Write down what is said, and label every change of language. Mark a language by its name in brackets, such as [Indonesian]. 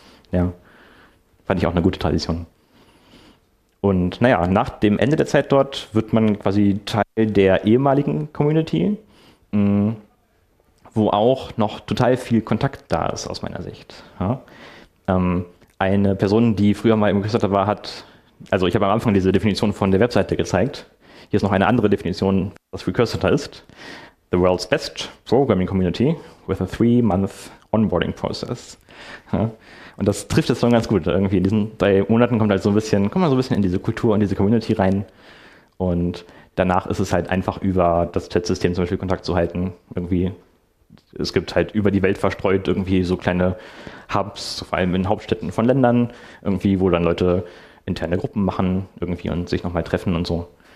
[German] Ja, fand ich auch eine gute Tradition. Und naja, nach dem Ende der Zeit dort wird man quasi Teil der ehemaligen Community, wo auch noch total viel Kontakt da ist, aus meiner Sicht. Ja. Eine Person, die früher mal im Recurse war, hat, also ich habe am Anfang diese Definition von der Webseite gezeigt. Hier ist noch eine andere Definition, was Recurse ist. [English] The world's best programming community with a 3-month onboarding process. Ja. [German] Und das trifft es schon ganz gut. Irgendwie in diesen 3 Monaten kommt halt so ein bisschen, kommt man so ein bisschen in diese Kultur und diese Community rein. Und danach ist es halt einfach über das Chat-System zum Beispiel Kontakt zu halten. Irgendwie, es gibt halt über die Welt verstreut irgendwie so kleine Hubs, vor allem in Hauptstädten von Ländern, irgendwie, wo dann Leute interne Gruppen machen irgendwie und sich nochmal treffen und so.